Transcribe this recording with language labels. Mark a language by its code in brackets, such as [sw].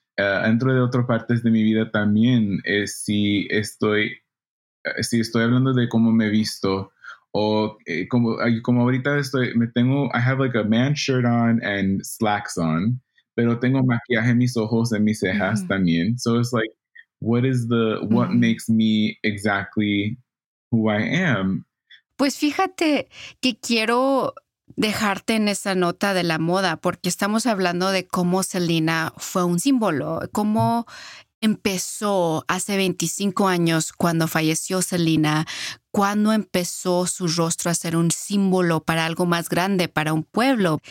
[es] Dentro de otras partes de mi vida también, si estoy hablando de cómo me visto, o como ahorita [en] I have like a man shirt on and slacks on, [es] pero tengo maquillaje en mis ojos, en mis cejas mm-hmm. también. [en] So it's like, what makes me exactly who I am? [es] Pues fíjate que quiero dejarte en esa nota de la moda, porque estamos hablando de cómo Selena fue un símbolo, cómo empezó hace 25 años cuando falleció Selena, cuándo empezó su rostro a ser un símbolo para algo más grande, para un pueblo.